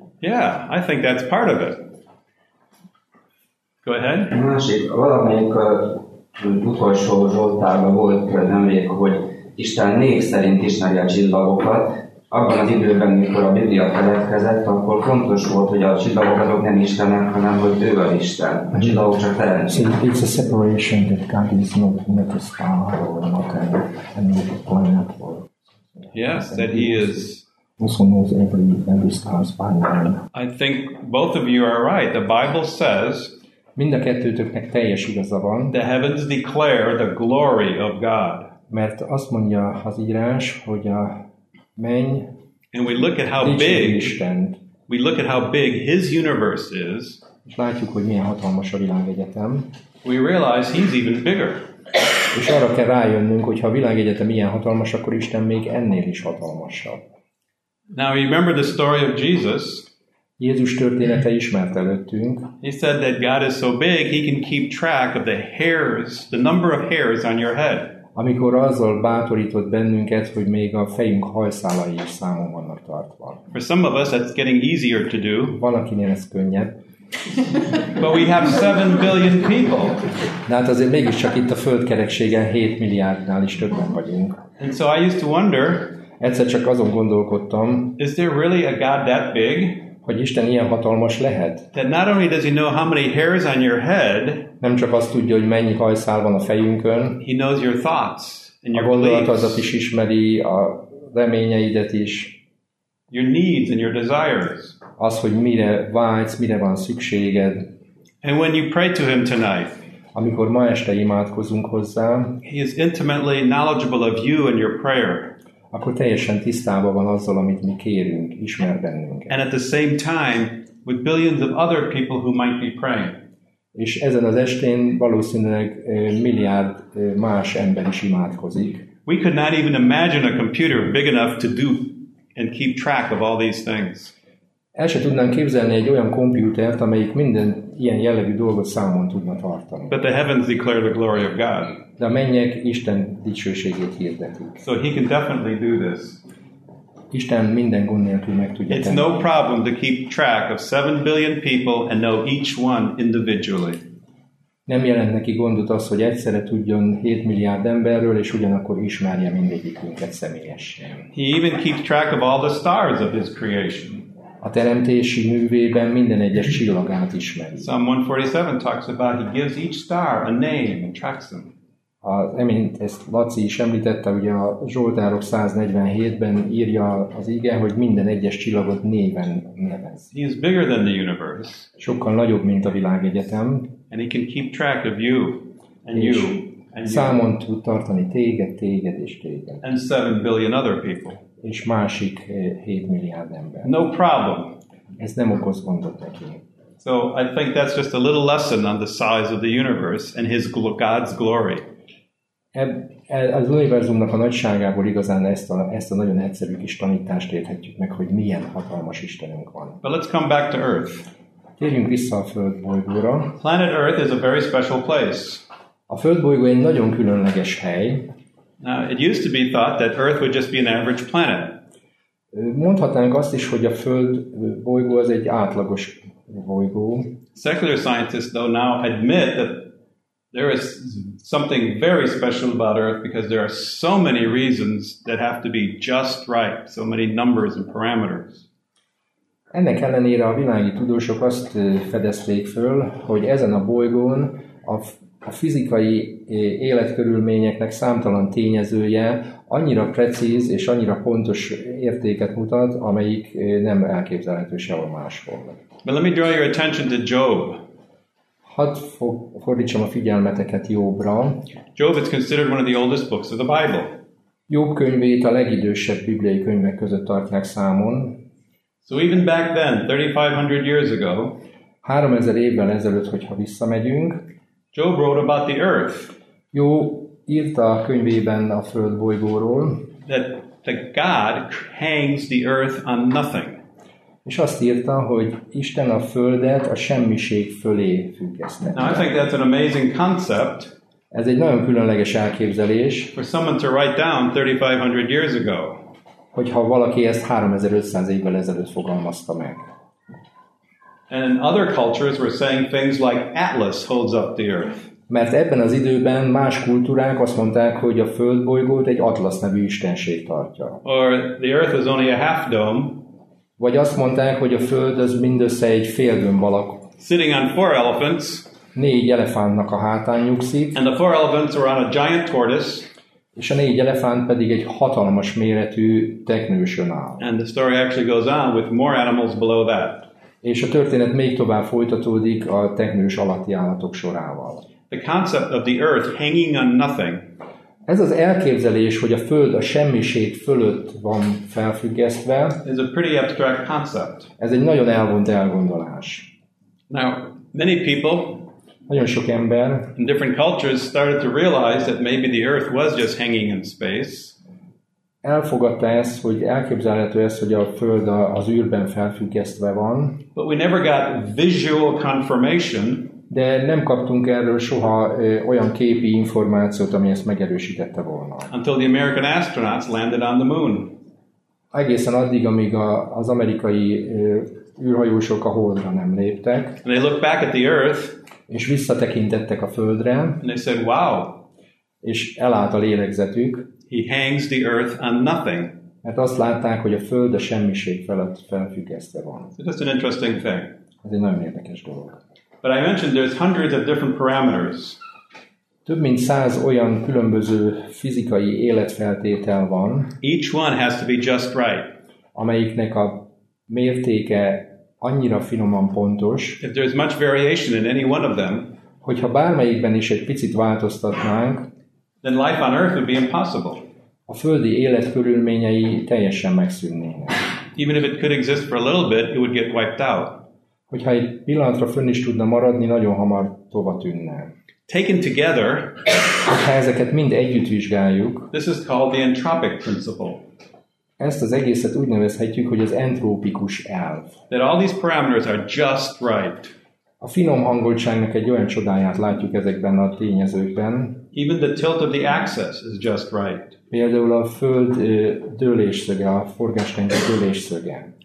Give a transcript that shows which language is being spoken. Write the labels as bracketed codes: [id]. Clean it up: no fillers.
[en] Yeah, I think that's part of it. Go ahead. [hu] Másik, valamelyik utolsó Zsoltárban volt nemrég, hogy Isten név szerint ismeri a csillagokat. Abban az időben, mikor a Biblia keletkezett, akkor fontos volt, hogy a csillagok azok nem Istenek, hanem hogy ő az Isten. A csillagok csak teremtik. [en] So it's a separation that God is not a star or not a planet. Yes, that he is. Also knows every star's by name. I think both of you are right. The Bible says, [hu] mind a kettőtöknek teljes igaza van. [en] The heavens declare the glory of God. [hu] Mert azt mondja az írás, hogy a menj, [en] and we look at how big Istent. We look at how big his universe is. [hu] És látjuk, hogy milyen hatalmas a világegyetem. [en] We realize he's even bigger. [hu] És arra kell rájönnünk, hogy ha a világegyetem ilyen hatalmas, akkor Isten még ennél is hatalmasabb. [en] Now you remember the story of Jesus. [hu] Jézus története ismert előttünk. [en] He said that God is so big, he can keep track of the hairs, the number of hairs on your head. [hu] Amikor azzal bátorított bennünket, hogy még a fejünk hajszálai is számon vannak tartva. [en] For some of us, that's getting easier to do. [hu] Valakinél ez könnyebb. [en] But we have 7 billion people. [hu] Hát azért mégis csak itt a földkerekségen 7 milliárdnál is többen vagyunk. [en] And so I used to wonder, [hu] egyszer csak azon gondolkodtam, [en] is there really a God that big? [hu] Hogy Isten ilyen hatalmas lehet? [en] That not only does he know how many hairs on your head, [hu] nem csak azt tudja, hogy mennyi hajszál van a fejünkön, [en] he knows your thoughts and your [hu] beliefs. A gondolatodat is ismeri, a reményeidet is. [en] Your needs and your desires. [hu] Az, hogy mire vágysz, mire van szükséged. [en] And when you pray to him tonight, [hu] amikor ma este imádkozunk hozzá, [en] he is intimately knowledgeable of you and your prayer. [hu] Akkor teljesen tisztában van azzal, amit mi kérünk, ismer bennünket. [en] And at the same time, with billions of other people who might be praying. [hu] És ezen az estén valószínűleg milliárd más ember is imádkozik. [en] We could not even imagine a computer big enough to do and keep track of all these things. [hu] El se tudnánk képzelni egy olyan komputert, amelyik minden ilyen jellegű dolgot számon tudna tartani. [en] But the heavens declare the glory of God. [hu] De a mennyek Isten dicsőségét hirdetik. [en] So he can definitely do this. [hu] Isten minden gond nélkül meg tudja [en] tenni. It's no problem to keep track of 7 billion people and know each one individually. [hu] Nem jelent neki gondot az, hogy egyszerre tudjon 7 milliárd emberről, és ugyanakkor ismerje mindegyikünket személyesen. [en] He even keeps track of all the stars of his creation. [hu] A teremtési művében minden egyes csillagát ismeri. [en] Psalm 147 talks about he gives each star a name and tracks them. [hu] Emint ezt Laci is említette, ugye a Zsoltárok 147-ben írja az ige, hogy minden egyes csillagot néven nevez. [en] He is bigger than the universe. [hu] Sokkal nagyobb, mint a világegyetem. [en] And he can keep track of you and you and you. [hu] Számon tud tartani téged, téged és téged. [en] And 7 billion other people. [hu] És másik 7 milliárd ember. [en] No problem. [hu] Ez nem okoz gondot neki. [en] So I think that's just a little lesson on the size of the universe and his God's glory. [hu] Az univerzumnak a nagyságából igazán ezt a nagyon egyszerű kis tanítást érthetjük meg, hogy milyen hatalmas Istenünk van. [en] But let's come back to Earth. [hu] Térjünk vissza a Földbolygóra. [en] Planet Earth is a very special place. [hu] A Földbolygó egy nagyon különleges hely. [en] Now, it used to be thought that Earth would just be an average planet. [hu] Mondhatnánk azt is, hogy a Földbolygó az egy átlagos bolygó. [en] Secular scientists, though, now admit that there is something very special about Earth because there are so many reasons that have to be just right, so many numbers and parameters. [hu] Ennek ellenére a világi tudósok azt fedezték föl, hogy ezen a bolygón a fizikai életkörülményeknek számtalan tényezője annyira precíz és annyira pontos értéket mutat, amelyik nem elképzelhető sehol máshol. [en] But let me draw your attention to Job. [hu] Hadd fordítsam a figyelmeteket Jobra. [en] Job is considered one of the oldest books of the Bible. [hu] Jób könyvét a legidősebb bibliai könyvek között tartják számon. [en] So even back then, 3500 years ago, [hu] 3000 évvel ezelőtt, hogyha visszamegyünk, [en] Job wrote about the earth. [hu] Jó írta a könyvében a földbolygóról, [en] that the God hangs the earth on nothing. [hu] És azt írta, hogy Isten a Földet a semmiség fölé függesztette. [en] Now I think that's an amazing concept. [hu] Ez egy nagyon különleges elképzelés. [en] For someone to write down 3500 years ago. [hu] Hogyha valaki ezt 3500 évvel ezelőtt fogalmazta meg. [en] And other cultures were saying things like Atlas holds up the earth. [hu] Mert ebben az időben más kultúrák azt mondták, hogy a földbolygót egy Atlas nevű istenség tartja. [en] Or the earth is only a half dome. [hu] Vagy azt mondták, hogy a Föld az mindössze egy fél gömb alak. [en] Sitting on four elephants. [hu] Négy elefántnak a hátán nyugszik. [en] And the four elephants were on a giant tortoise. [hu] És a négy elefánt pedig egy hatalmas méretű teknősön áll. [en] And the story actually goes on with more animals below that. [hu] És a történet még tovább folytatódik a teknős alatti állatok sorával. [en] The concept of the earth hanging on nothing. [hu] Ez az elképzelés, hogy a Föld a semmiség fölött van felfüggesztve, [en] is a pretty abstract concept. [hu] Ez egy nagyon elvont elgondolás. [en] Now, many people, [hu] nagyon sok ember, [en] in different cultures started to realize that maybe the earth was just hanging in space. [hu] Elfogadta ezt, hogy elképzelhető ez, hogy a Föld az űrben felfüggesztve van. [en] But we never got visual confirmation. [hu] De nem kaptunk erről soha olyan képi információt, ami ezt megerősítette volna. [en] Until the American astronauts landed on the moon. [hu] Egészen addig, amíg az amerikai űrhajósok a Holdra nem léptek. [en] And they looked back at the Earth. [hu] És visszatekintettek a Földre. [en] And they said, wow. [hu] És elállt a lélegzetük. [en] He hangs the Earth on nothing. [hu] Mert azt látták, hogy a Föld a semmiség felett felfüggesztve van. [en] So that's an interesting thing. [hu] Ez egy nagyon érdekes dolog. [en] But I mentioned there's hundreds of different parameters. [hu] Több mint 100 olyan különböző fizikai életfeltétel van. [en] Each one has to be just right. [hu] Amelyiknek a mértéke annyira finoman pontos. [en] If there's much variation in any one of them, [hu] hogyha bármelyikben is egy picit változtatnánk, [en] then life on Earth would be impossible. [hu] A földi élet körülményei teljesen megszűnnének. [en] Even if it could exist for a little bit, it would get wiped out. [hu] Hogyha egy pillanatra fönn is tudna maradni, nagyon hamar tova tűnne. [en] Taken together, [hu] ha ezeket mind együtt vizsgáljuk, [en] this is called the entropic principle. [hu] Ezt az egészet úgy nevezhetjük, hogy az entrópikus elv. [en] That all these parameters are just right. [hu] A finom hangoltságnak egy olyan csodáját látjuk ezekben a tényezőkben. [en] Even the tilt of the axis is just right. [hu] Például a Föld dőlésszöge, a forgástengely dőlésszöge.